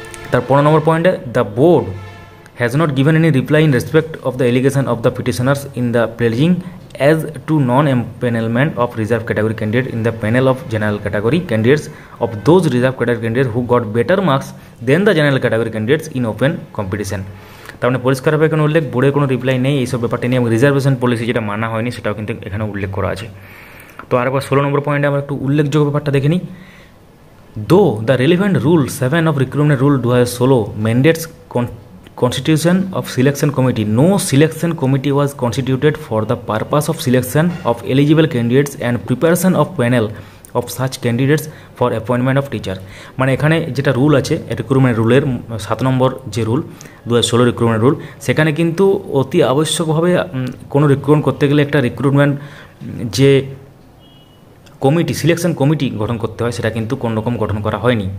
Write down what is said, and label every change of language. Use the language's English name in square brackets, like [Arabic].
[English] তার 15 নম্বর পয়েন্টে the board has not given any reply in respect of the allegation of the petitioners in the pleading as to non empanelment of reserve category candidate in the panel of general category candidates of those reserve category candidate who got better marks than the general category candidates in open competition. [Bangla] তার মানে পরিষ্কারভাবে এখানে উল্লেখ বোর্ডের কোনো reply নেই এইসব ব্যাপারটা নিয়ে, এবং রিজার্ভেশন পলিসি যেটা মানা হয়নি সেটাও কিন্তু এখানে উল্লেখ করা আছে। তো আরেকবার 16 নম্বর পয়েন্টে আমরা একটু উল্লেখযোগ্য ব্যাপারটা দেখে নিই, [English] Though the relevant rule 7 of recruitment rule 2016 mandates Constitution of Selection Committee. No selection committee was constituted for the purpose of selection of eligible candidates and preparation of panel of such candidates for appointment of teacher. [Bangla] মানে এখানে যেটা rule আছে recruitment রুলের সাত নম্বর যে rule 2016 recruitment rule, সেখানে কিন্তু অতি আবশ্যকভাবে কোনো রিক্রুটমেন্ট করতে গেলে একটা রিক্রুটমেন্ট যে কমিটি সিলেকশন কমিটি গঠন করতে হয় সেটা কিন্তু কোনো রকম গঠন করা হয়নি।